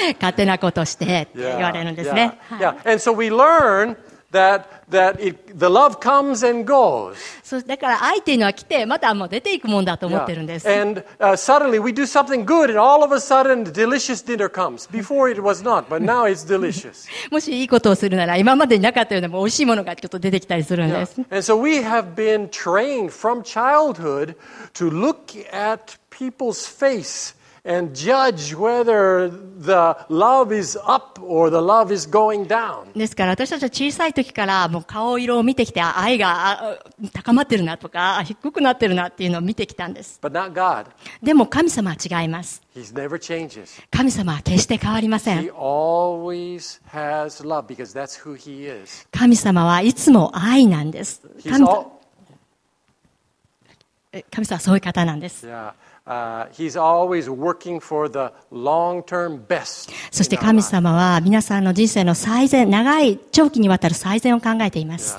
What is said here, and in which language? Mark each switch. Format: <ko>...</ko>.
<ja>勝手なことしてって言われるんですね。</ja> <en>Yeah. Yeah. Yeah. And so we learn that it, the love comes and goes.</en> <ja>そうだから愛というのは来てまたもう出ていくもんだと思ってるんです。</ja> <en>Yeah. And suddenly we do something good, and all of a sudden the delicious dinner comes. Before it was not, but now it's delicious.</en> <ja>もしいいことをするなら今までになかったようなもう美味しいものがちょっと出てきたりするんです。</ja> <en>Yeah. And so we have been trained from childhood to look at people's face. And judge whether the love is up or the love is going down.</en> <ja>ですから私たちは小さい時からもう顔色を見てきて愛が高まってるなとか低くなってるなっていうのを見てきたんです。</ja> <en>But not God.</en> <ja>でも神様は違います。</ja> <en>He's never changes.</en> <ja>神様は決して変わりません。</ja> <en>He always has love because that's who he is.</en> <ja>神様はいつも愛なんです。</ja> <en>He's all...</en> <ja>神様はそういう方なんです。</ja> <en>He's always working for the long-term best.</en> <ja>そして神様は皆さんの人生の最善、長い長期にわたる最善を考えています。</ja>